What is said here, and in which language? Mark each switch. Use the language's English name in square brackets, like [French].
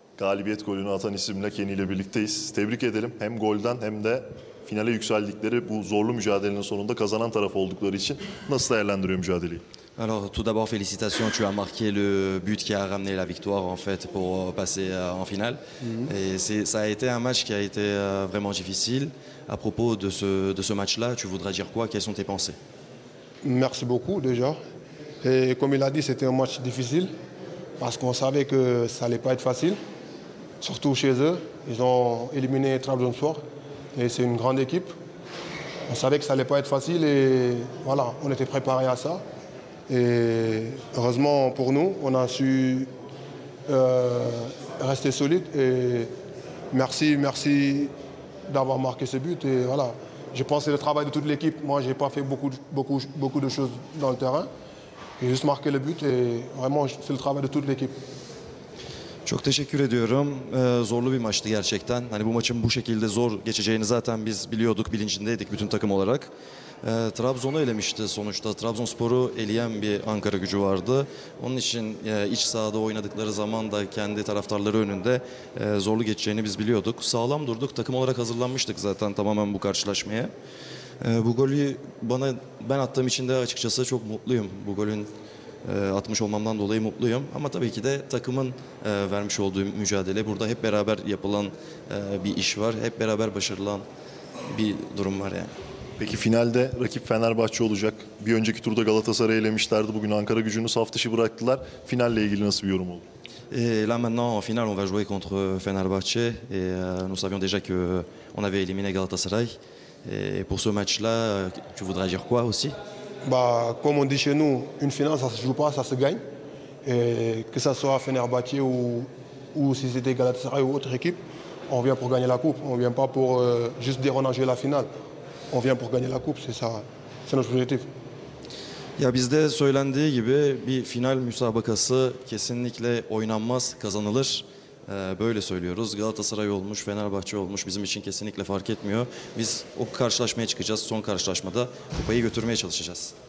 [Turkish] galibiyet golünü atan isimle Kenny ile birlikteyiz. Tebrik edelim. Hem golden hem de finale yükseldikleri bu zorlu mücadelenin sonunda kazanan taraf oldukları için nasıl değerlendiriyor mücadeleyi? [French] Alors tout d'abord félicitations, tu as marqué le but qui a ramené la victoire en fait pour passer en finale. Mm-hmm. Et ça a été un match qui a été vraiment difficile. À propos de ce match-là, tu voudrais dire quoi? Quelles sont tes pensées? Merci beaucoup déjà. Et comme il a dit, c'était un match difficile parce qu'on savait que ça allait pas être facile, surtout chez eux. Ils ont éliminé Trabzonspor et c'est une grande équipe. On savait que ça allait pas être facile et voilà, on était préparé à ça. Et heureusement pour nous, on a su rester solide. Et merci d'avoir marqué ce but. Et voilà, je pense que c'est le travail de toute l'équipe. Moi, j'ai pas fait beaucoup de choses dans le terrain. J'ai juste marqué le but. Et vraiment, c'est le travail de toute l'équipe. [Turkish] Çok teşekkür ediyorum. Zorlu bir maçtı gerçekten. Hani bu maçın bu şekilde zor geçeceğini zaten biz biliyorduk, bilincindeydik bütün takım olarak. Trabzon'u elemişti sonuçta. Trabzonspor'u eleyen bir Ankara gücü vardı. Onun için iç sahada oynadıkları zaman da kendi taraftarları önünde zorlu geçeceğini biz biliyorduk. Sağlam durduk. Takım olarak hazırlanmıştık zaten tamamen bu karşılaşmaya. Bu golü ben attığım için de açıkçası çok mutluyum. Bu golün atmış olmamdan dolayı mutluyum. Ama tabii ki de takımın vermiş olduğu mücadele. Burada hep beraber yapılan bir iş var. Hep beraber başarılan bir durum var yani. Peki finalde rakip Fenerbahçe olacak. Bir önceki turda Galatasaray'ı elemişlerdi. Bugün Ankara gücünü saf dışı bıraktılar. Finalle ilgili nasıl bir yorum oldu? [French] Là maintenant, en finale, on va jouer contre Fenerbahçe. Et nous savions déjà que on avait éliminé Galatasaray. Et pour ce match-là, tu voudrais dire quoi aussi? Bah, comme on dit chez nous, une finale, ça se joue pas, ça se gagne. Et que ça soit Fenerbahçe ou si c'était Galatasaray ou autre équipe, on vient pour gagner la coupe. On vient pas pour juste dire on a joué la finale. On vient pour gagner la coupe, c'est ça. C'est notre objectif. [Turkish] Ya bizde söylendiği gibi bir final müsabakası kesinlikle oynanmaz, kazanılır. Böyle söylüyoruz. Galatasaray olmuş, Fenerbahçe olmuş bizim için kesinlikle fark etmiyor. Biz o karşılaşmaya çıkacağız. Son karşılaşmada kupayı götürmeye çalışacağız.